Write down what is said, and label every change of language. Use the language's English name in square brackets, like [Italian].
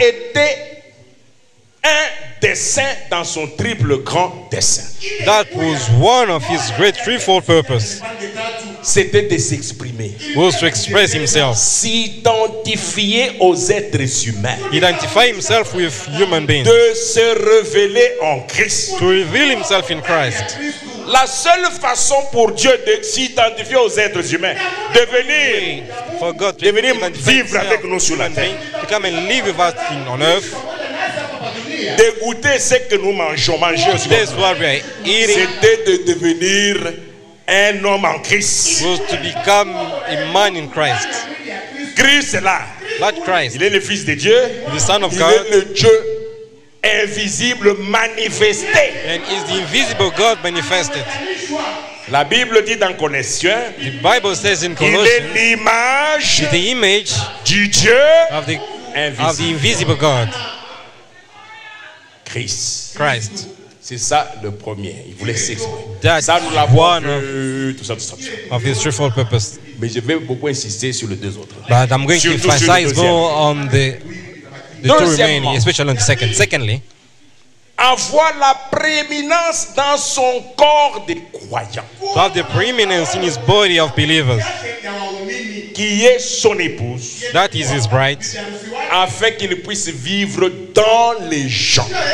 [French] Était un dessein dans son triple grand dessein. [English] That was one of his great threefold purpose. [French] C'était de s'exprimer. [English] Was to express himself. [French] S'identifier aux êtres humains. [English] Identify himself with human beings. [French] De se révéler en Christ. [English] To reveal himself in Christ. [French] La seule façon pour Dieu de s'identifier aux êtres humains, de venir, [English] for God, [French] de venir vivre avec nous sur la terre. [English] To come and live with us in on earth. [French] De goûter ce que nous mangeons, manger aussi. [English] That's what we are eating. [French] C'était de devenir un homme en Christ. [English] Was to become a man in Christ. [French] Christ est là. [English] That Christ. [French] Il est le Fils de Dieu. [English] The Son of [French] Il [English] God. [French] Il est le Dieu invisible manifesté. [English] And is the invisible God manifested? [French] La Bible dit dans Colossiens. [English] The Bible says in Colossians. [French] Il est l'image. [English] The image. [French] Du Dieu. [English] Of the invisible. Of the invisible God. [French] Christ. [English] Christ. [French] C'est ça le premier. Il voulait s'exprimer. [English] That [French] ça nous l'avons tout ça, tout ça. [English] Of his threefold purpose. [French] Mais je vais beaucoup insister sur les deux autres. [English] But I'm going to emphasize more on the two remaining, especially on the second. Secondly, [French] avoir la prééminence dans son corps de croyants. [English] To have the preeminence in his body of believers. [French] Qui est son épouse. [English] That is his bride. [French] Afin qu'il puisse vivre dans les gens.